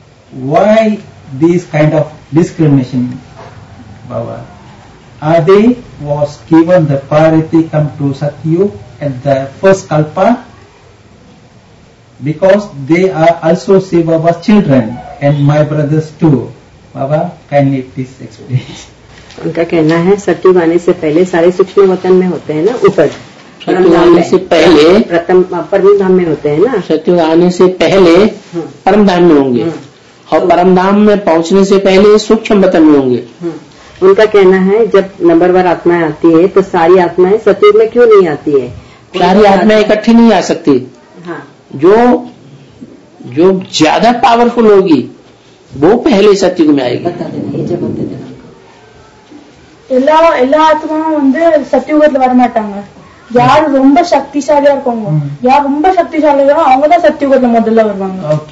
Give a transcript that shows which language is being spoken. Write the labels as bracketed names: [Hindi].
[English] Why this kind of discrimination, Baba? Adi was given the priority come to Satyuga at the first kalpa because they are also Sri Baba's children and my brothers too. Baba, kindly please explain. [Hindi] उनका कहना है सत्यु आने से पहले सारे सूक्ष्म वतन में होते हैं ना ऊपर आने से पहले प्रथम परम धाम में होते हैं ना सत्यु आने से पहले परम धाम में होंगे और परम धाम में पहुंचने से पहले सूक्ष्म वतन में होंगे उनका कहना है जब नंबर वार आत्माएं आती है तो सारी आत्माएं सत्यु में क्यों नहीं आती है सारी आत्माएं इकट्ठी नहीं आ सकती जो जो ज्यादा पावरफुल होगी वो पहले सत्यु में आएगी [Tamil] எல்லா எல்லா ஆத்மாவும் வந்து சத்தியுகத்துல வரமாட்டாங்க யார் ரொம்ப சக்திசாலியா இருக்காங்க யார் ரொம்ப சக்திசாலியோ அவங்க தான் சத்தியுகத்துல முதல்ல வருவாங்க